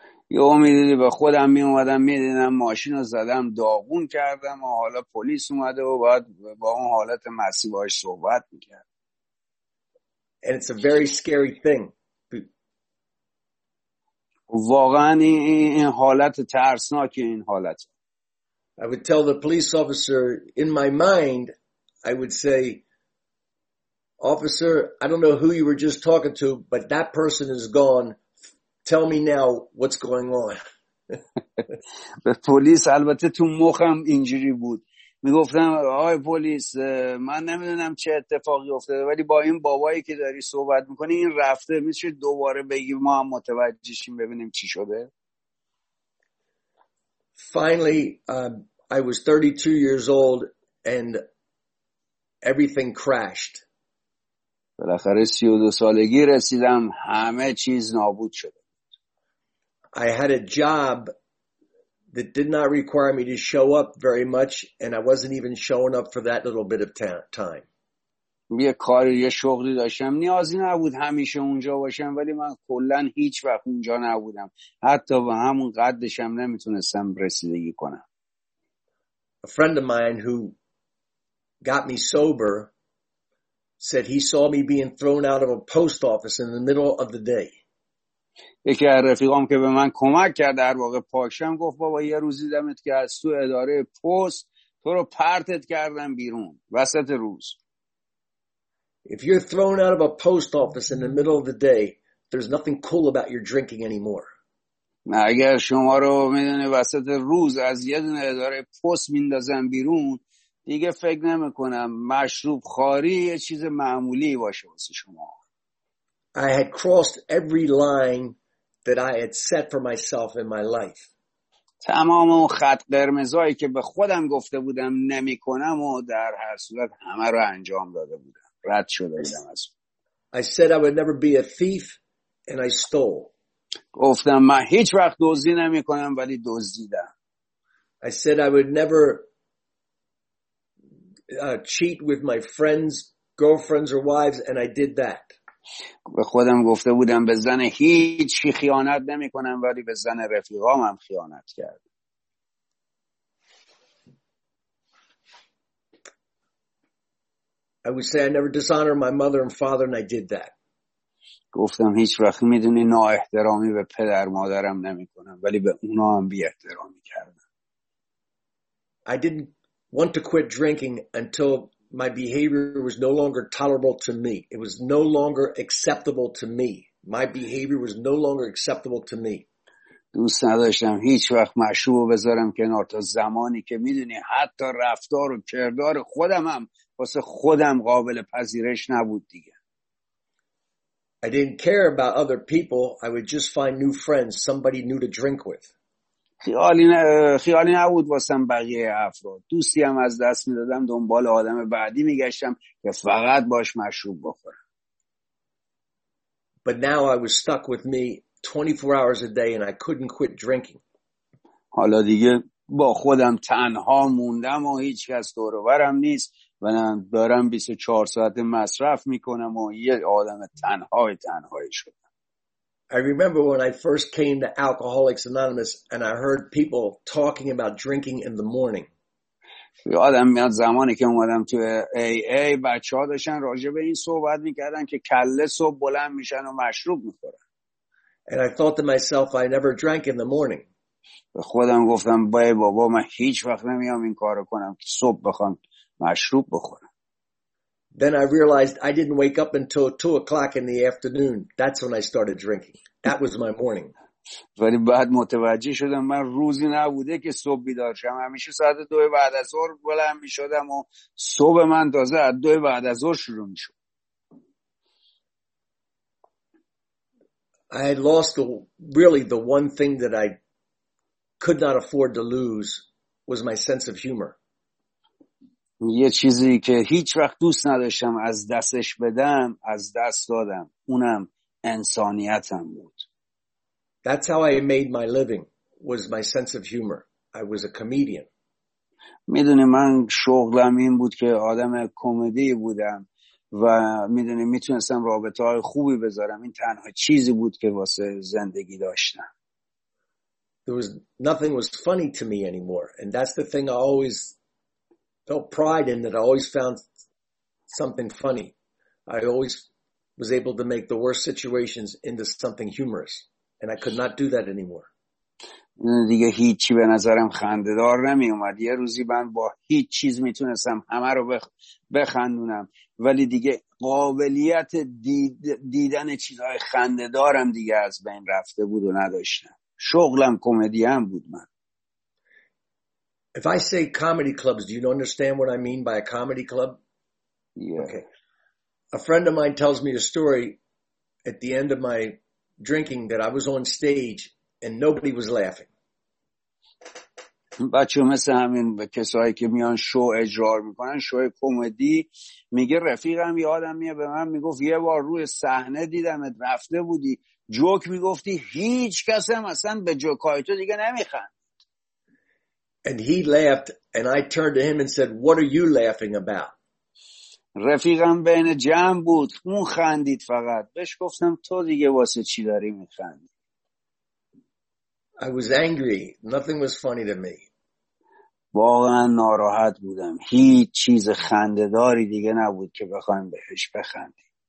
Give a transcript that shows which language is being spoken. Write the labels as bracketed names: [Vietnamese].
[Persian] یهو میدیدی به خودم میومدم میدیدم ماشینو زدم داغون کردم و حالا پلیس اومده و بعد با اون حالت مسی باهاش صحبت میکرد. [English] And it's a very scary thing. [Persian] واقعا این حالت ترسناک این حالت. [English] I would tell the police officer in my mind I would say Officer, I don't know who you were just talking to, but that person is gone. Tell me now what's going on. [Persian] به پلیس البته تو مخم اینجوری بود. میگفتم آقای پلیس من نمیدونم چه اتفاقی افتاده ولی با این بابایی که داری صحبت میکنی این رفته میشه دوباره بگی ما هم متوجه شیم ببینیم چی شده. [English] Finally, I was 32 years old and everything crashed. [Persian] بالاخره 32 سالگی رسیدم همه چیز نابود شده. [English] I had a job that did not require me to show up very much and I wasn't even showing up for that little bit of time. [Persian] یه کاری یه شغلی داشتم نیازی نبود همیشه اونجا باشم ولی من کلن هیچ وقت اونجا نبودم حتی به همون قدشم نمیتونستم رسیدگی کنم. [English] A friend of mine who got me sober said he saw me being thrown out of a post office in the middle of the day. [Persian] یکی از رفیقام که به من کمک کرد در واقع پاکشم گفت بابا یه روزی دمت که از تو اداره پست تو رو پرتت کردم بیرون وسط روز. [English] If you're thrown out of a post office in the middle of the day, there's nothing cool about your drinking anymore. [Persian] نه اگر شما رو میدونه وسط روز از یه دونه اداره پست میندازن بیرون دیگه فکر نمی‌کنم مشروب خاری یه چیز معمولی باشه واسه شما. [English] I had crossed every line that I had set for myself in my life. [Persian] تمام اون خط قرمزایی که به خودم گفته بودم نمی‌کنم و در هر صورت همه رو انجام داده بودم. رد شده بودم از. [English] I said I would never be a thief and I stole. [Persian] گفتم من هیچ وقت دزدی نمی‌کنم ولی دزدیدم. [English] I said I would never cheat with my friends, girlfriends or wives and I did that. [Persian] به خودم گفته بودم به زن هیچ کی خیانت نمی کنم ولی به زن رفیقام هم خیانت کردم. [English] I would say I never dishonored my mother and father and I did that. [Persian] گفتم هیچ وقت می دونی نا احترامی به پدر مادرم نمی کنم ولی به اونا هم بی احترامی کردم. [English] I didn't want to quit drinking until my behavior was no longer tolerable to me. It was no longer acceptable to me. My behavior was no longer acceptable to me. [Persian] دوست نداشتم هیچ وقت مشروب بذارم کنار تا زمانی که میدونی حتی رفتار و کردار خودم هم واسه خودم قابل پذیرش نبود دیگه. [English] I didn't care about other people. I would just find new friends, somebody new to drink with. [Persian] خیالی نبود واسم بقیه افراد. دوستی هم از دست میدادم دنبال آدم بعدی میگشتم که فقط باش مشروب بخورم. [English] But now I was stuck with me 24 hours a day and I couldn't quit drinking. [Persian] حالا دیگه با خودم تنها موندم و هیچ کس دور و برم نیست و من دارم 24 ساعت مصرف میکنم و یه آدم تنهای تنهایی شدم. [English] I remember when I first came to Alcoholics Anonymous and I heard people talking about drinking in the morning. [Persian] یادم میاد زمانی که اومدم توی AA بچه‌ها داشتن راجع به این صحبت میکردن که کله صبح بلند میشن و مشروب میخورن. [English] And I thought to myself, I never drank in the morning. [Persian] به خودم گفتم بای بابا من هیچ وقت نمیام این کارو کنم که صبح بخوام مشروب بخورم. [English] Then I realized I didn't wake up until 2 o'clock in the afternoon. That's when I started drinking. That was my morning. [Persian] ولی بعد متوجه شدم من روزی نبوده که صبح بیدار شدم. همیشه ساعت 2 بعد از ظهر بلند میشدم و صبح من تازه از 2 بعد از ظهر شروع میشد. [English] I had lost the one thing that I could not afford to lose was my sense of humor. [Persian] یه چیزی که هیچ وقت دوست نداشتم از دستش بدم از دست دادم اونم انسانیتم بود. [English] That's how I made my living was my sense of humor. I was a comedian. [Persian] میدونی من شغلم این بود که آدم کمدی بودم و میدونی میتونستم رابطه های خوبی بذارم. این تنها چیزی بود که واسه زندگی داشتم. [English] There was nothing was funny to me anymore and that's the thing I always felt pride in, that I always found something funny. I always was able to make the worst situations into something humorous and I could not do that anymore. [Persian] دیگه هیچی به نظرم خنده‌دار نمی اومد. یه روزی من با هیچ چیز میتونستم همه رو بخندونم ولی دیگه قابلیت دیدن چیزهای خنده‌دارم دیگه از بین رفته بود و نداشتم. شغلم کمدین بود من. [English] If I say comedy clubs, do you understand what I mean by a comedy club? Yeah. Okay. A friend of mine tells me a story at the end of my drinking that I was on stage and nobody was laughing. [Persian] بچه مثل همین کسایی که میان شو اجرا میکنن، شو کمدی، میگه رفیقم یه آدم میاد به من میگفت یه بار روی صحنه دیدمت رفته بودی جوک میگفتی هیچ کس هم اصلا به جوکای تو دیگه نمیخند. [English] And he laughed and I turned to him and said, what are you laughing about? [Persian] رفیقم بین جمع بود، اون خندید فقط. بهش گفتم تو دیگه واسه چی داری میخندی؟ [English] I was angry. Nothing was funny to me. [Persian] واقعا ناراحت بودم. هیچ چیز خنده‌داری دیگه نبود که بخوام بهش بخندم.